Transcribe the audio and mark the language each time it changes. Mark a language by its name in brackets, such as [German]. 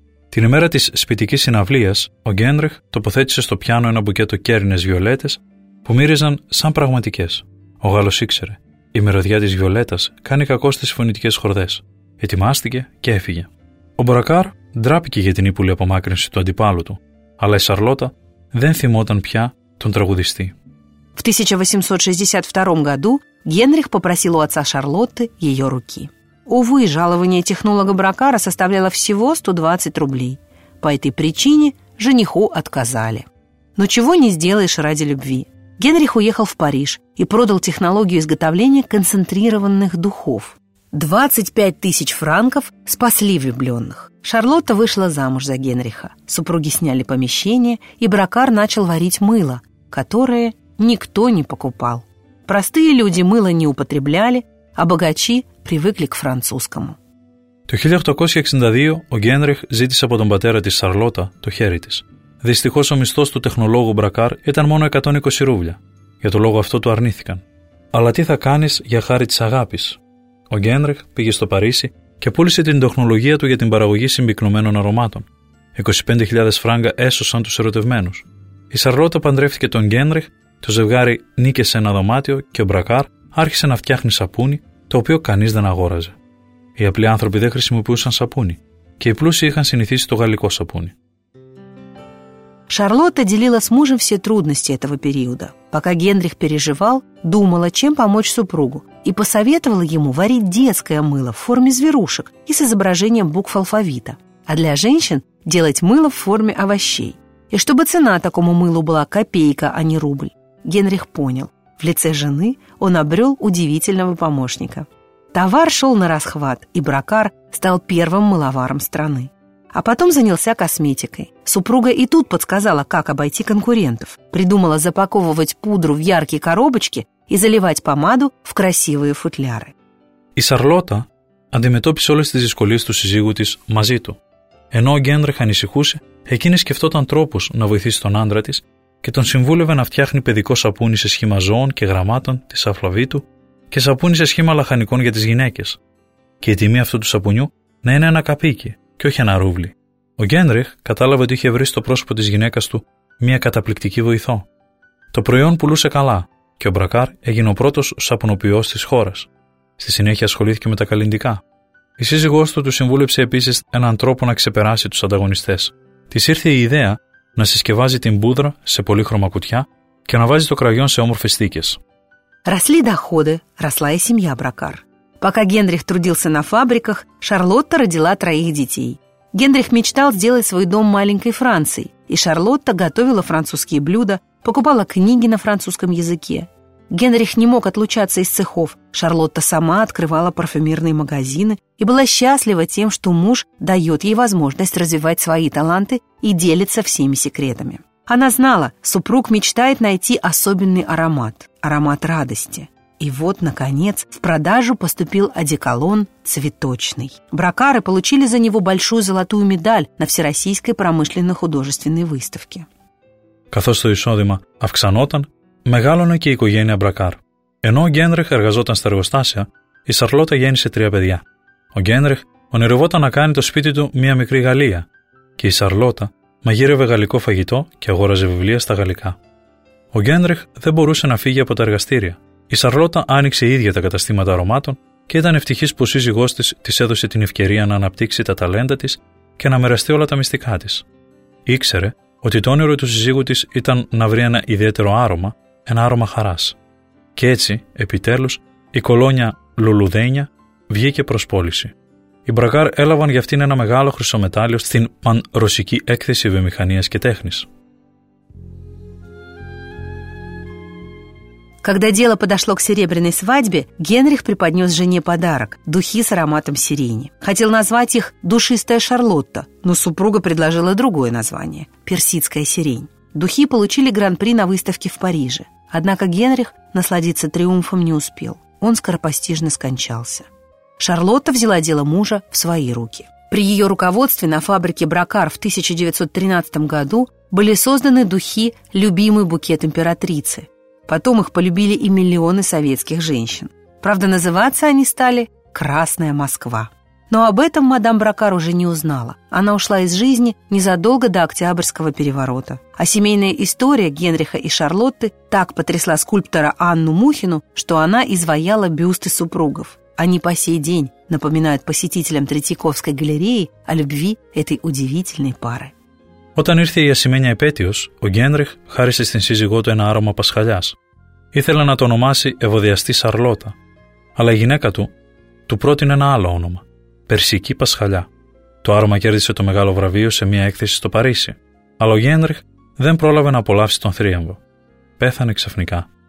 [Greek] Την ημέρα της σπιτικής συναυλίας, ο Γκένριχ τοποθέτησε στο πιάνο ένα μπουκέτο κέρινες βιολέτες που μύριζαν σαν πραγματικές. Ο Γάλλος ήξερε. Η μυρωδιά της βιολέτας κάνει κακό στις φωνητικές χορδές. Ετοιμάστηκε και έφυγε. Ο Μπρακάρ ντράπηκε για την ύπουλη απομάκρυνση του αντιπάλου του, αλλά η Σαρλότα δεν θυμόταν πια τον τραγουδιστή. [Russian] В 1862 году Генрих попросил у отца Шарлотты ее руки. Увы, жалование технолога Бракара составляло всего 120 рублей. По этой причине жениху отказали. Но чего не сделаешь ради любви. Генрих уехал в Париж и продал технологию изготовления концентрированных духов. 25 тысяч франков спасли влюбленных. Шарлотта вышла замуж за Генриха. Супруги сняли помещение, и Бракар начал варить мыло, которое... Никто не покупал. Простые люди мыло не употребляли, а богачи привыкли к французскому. [Greek] Το 1862 ο Γκένριχ ζήτησε από τον πατέρα της Σαρλότα το χέρι της. Δυστυχώς ο μισθός του τεχνολόγου Μπρακάρ ήταν μόνο 120 ρούβλια. Για το λόγο αυτό του αρνήθηκαν. Αλλά τι θα κάνεις για χάρη της αγάπης. Ο Γκένριχ πήγε στο Παρίσι και πούλησε την τεχνολογία του για την παραγωγή συμπυκνωμένων αρωμάτων. 25.000 φράγκα έσωσαν τους ερωτευμένους. Η Σαρλότα παντρεύτηκε τον Γκένριχ. Το ζευγάρι νίκησε ένα δωμάτιο και ο Μπρακάρ άρχισε να φτιάχνει σαπούνι, το οποίο κανείς δεν αγόραζε. Οι απλοί άνθρωποι δεν χρησιμοποιούσαν σαπούνι και οι πλούσιοι είχαν συνηθίσει το γαλλικό σαπούνι. [Russian] Шарлотта делила с мужем все трудности этого периода. Пока Генрих переживал, думала, чем помочь супругу, и посоветовала ему варить детское мыло в форме зверушек и с изображением букв алфавита, а для женщин делать мыло в форме овощей. И чтобы цена такому мылу была копейка, а не рубль, Генрих понял. В лице жены он обрел удивительного помощника. Товар шел на расхват, и Бракар стал первым мыловаром страны. А потом занялся косметикой. Супруга и тут подсказала, как обойти конкурентов. Придумала запаковывать пудру в яркие коробочки и заливать помаду в красивые футляры. И [Greek] Шарлотта αντιμετώπισε όλες τις δυσκολίες του συζύγου της μαζί του. Ενώ ο Γκένριχ ανησυχούσε, εκείνη σκεφτόταν τρόπους να βοηθήσει τον άντρα της και τον συμβούλευε να φτιάχνει παιδικό σαπούνι σε σχήμα ζώων και γραμμάτων της αφλαβήτου και σαπούνι σε σχήμα λαχανικών για τις γυναίκες. Και η τιμή αυτού του σαπουνιού να είναι ένα καπίκι και όχι ένα ρούβλι. Ο Γένριχ κατάλαβε ότι είχε βρει στο πρόσωπο της γυναίκας του μια καταπληκτική βοηθό. Το προϊόν πουλούσε καλά και ο Μπρακάρ έγινε ο πρώτος σαπουνοποιός της χώρας. Στη συνέχεια ασχολήθηκε με τα καλλιντικά. Η σύζυγός του συμβούλεψε επίσης έναν τρόπο να ξεπεράσει τους ανταγωνιστές. Της ήρθε η ιδέα να συσκευάζει την πούδρα σε πολύχρωμα κουτιά και να βάζει το κραγιόν σε όμορφες θήκες. [Russian] Росли доходы, росла и семья Бракар. Пока Генрих трудился на фабриках, Шарлотта родила троих детей. Генрих мечтал сделать свой дом маленькой Францией, и Шарлотта готовила французские блюда, покупала книги на французском языке. Генрих не мог отлучаться из цехов, Шарлотта сама открывала парфюмерные магазины и была счастлива тем, что муж дает ей возможность развивать свои таланты и делится всеми секретами. Она знала, супруг мечтает найти особенный аромат, аромат радости. И вот, наконец, в продажу поступил одеколон цветочный. Бракары получили за него большую золотую медаль на Всероссийской промышленно-художественной выставке. [Greek] Καθώς το εισόδημα αυξανόταν, μεγάλωνε και η οικογένεια Μπρακάρ. Ενώ ο Γένριχ εργαζόταν στα εργοστάσια, η Σαρλότα γέννησε 3 παιδιά. Ο Γένριχ ονειρευόταν να κάνει το σπίτι του μια μικρή Γαλλία και η Σαρλότα μαγείρευε γαλλικό φαγητό και αγόραζε βιβλία στα γαλλικά. Ο Γένριχ δεν μπορούσε να φύγει από τα εργαστήρια. Η Σαρλότα άνοιξε ίδια τα καταστήματα αρωμάτων και ήταν ευτυχής που ο σύζυγός της της έδωσε την ευκαιρία να αναπτύξει τα ταλέντα της και να μοιραστεί όλα τα μυστικά της. Ήξερε ότι το όνειρο του σύζυγου της ήταν να βρει ένα ιδιαίτερο άρωμα, ένα άρωμα χαράς. Και έτσι, επιτέλους, η κολόνια Λουλουδένια βγήκε προς πώληση. Οι Μπρακάρ έλαβαν για αυτήν ένα μεγάλο χρυσό μετάλλιο στην πανρωσική έκθεση βιομηχανίας και τέχνης. [Russian] Когда дело подошло к серебряной свадьбе, Генрих преподнес жене подарок – духи с ароматом сирени. Хотел назвать их «душистая Шарлотта», но супруга предложила другое название – «персидская сирень». Духи получили гран-при на выставке в Париже. Однако Генрих насладиться триумфом не успел. Он скоропостижно скончался. Шарлотта взяла дело мужа в свои руки. При ее руководстве на фабрике Бракар в 1913 году были созданы духи «любимый букет императрицы». Потом их полюбили и миллионы советских женщин. Правда, называться они стали «Красная Москва». Но об этом мадам Бракар уже не узнала. Она ушла из жизни незадолго до Октябрьского переворота. А семейная история Генриха и Шарлотты так потрясла скульптора Анну Мухину, что она изваяла бюсты супругов. Они по сей день напоминают посетителям Третьяковской галереи о любви этой удивительной пары. [Greek] Όταν ήρθε η ασημένια επέτειος, ο Γένριχ χάρισε στην σύζυγό του ένα άρωμα πασχαλιάς. Ήθελε να το ονομάσει Ευωδιαστή Σαρλότα, αλλά η γυναίκα του του πρότεινε ένα άλλο όνομα, Περσική Πασχαλιά. Το άρωμα κέρδισε το μεγάλο βραβείο σε μια έκθεση στο Παρίσι, αλλά ο Γένριχ δεν πρόλαβε να απολαύσει τον θρίαμβο. Πέθανε ξαφνικά.